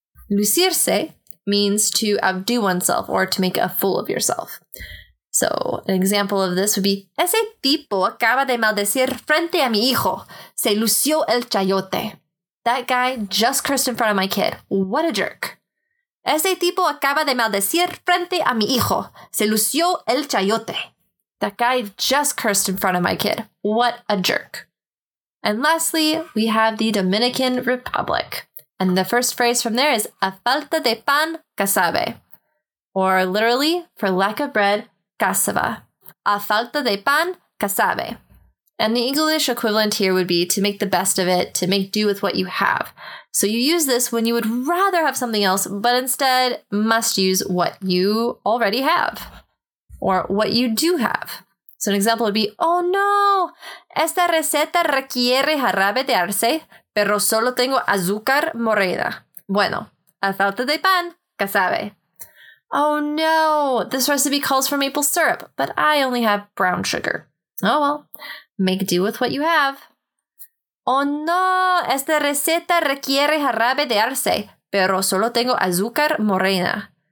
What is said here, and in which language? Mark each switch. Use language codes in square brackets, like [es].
[en] Lucirse means to outdo oneself or to make a fool of yourself. [es] So an example of this would be, ese tipo acaba de maldecir frente a mi hijo. Se lució el chayote. [en] That guy just cursed in front of my kid. What a jerk. [es] Ese tipo acaba de maldecir frente a mi hijo. Se lució el chayote. [en] That guy just cursed in front of my kid. What a jerk. And lastly, we have the Dominican Republic. And the first phrase from there is, a falta de pan, casabe. Or literally, for lack of bread, casaba. A falta de pan, casabe. And the English equivalent here would be to make the best of it, to make do with what you have. So you use this when you would rather have something else, but instead must use what you already have. Or what you do have. So an example would be, oh no, esta receta requiere jarabe de arce, pero solo tengo azúcar morena. [es] Bueno, a falta de pan, casabe. [en] Oh no, this recipe calls for maple syrup, but I only have brown sugar. Oh well, make do with what you have. [es] Oh no, esta receta requiere jarabe de arce, pero solo tengo azúcar morena.